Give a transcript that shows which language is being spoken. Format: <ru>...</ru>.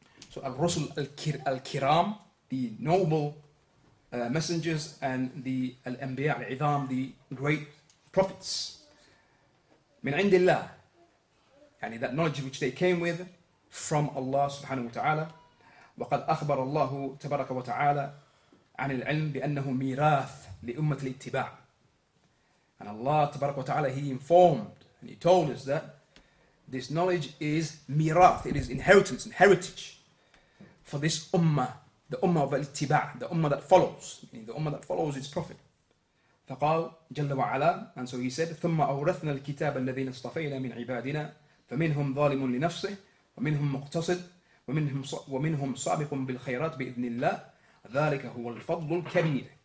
<en>So al-Rusul al-Kiram, the noble messengers, and the al-anbiya al-idham, the great prophets. Min indillah, yani that knowledge which they came with from Allah subhanahu wa ta'ala.</en> <ar>وقد أخبر الله تبارك وتعالى عن العلم بأنه ميراث لأمة الاتباع.</ar> <en>And Allah</en> <ar>تبارك وتعالى,</ar> <en>He informed and He told us that this knowledge is miraath, it is inheritance and heritage for this ummah. The ummah of al-ittiba', the ummah that follows, meaning the ummah that follows its prophet.</en> <ar>فقال جل وعلا,</ar> <en>and so he said,</en> <ar>ثم أورثنا الكتاب الذين اصطفينا من عبادنا فمنهم ظالم لنفسه ومنهم مقتصد ومنهم سابق بالخيرات بإذن الله ذلك هو الفضل الكبير.</ar>